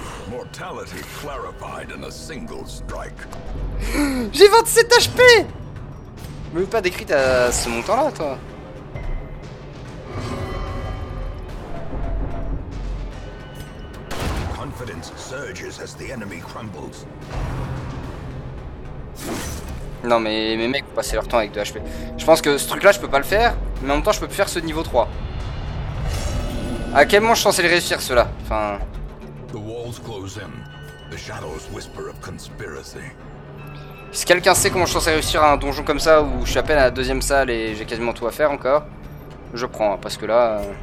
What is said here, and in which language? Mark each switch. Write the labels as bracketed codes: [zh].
[en] Mortality clarified in a single strike. [fr] J'ai 27 HP! Me veux pas des crits à ce montant-là, toi. [en] Confidence surges as the enemy crumbles. [fr] Non mais mes mecs vont passer leur temps avec 2 HP. Je pense que ce truc là je peux pas le faire, mais en même temps je peux plus faire ce niveau 3. À quel moment je suis censé le réussir cela? Enfin. [en] The walls close in. The shadows whisper of conspiracy. [fr] Si quelqu'un sait comment je suis censé réussir à un donjon comme ça où je suis à peine à la deuxième salle et j'ai quasiment tout à faire encore, je prends, parce que là.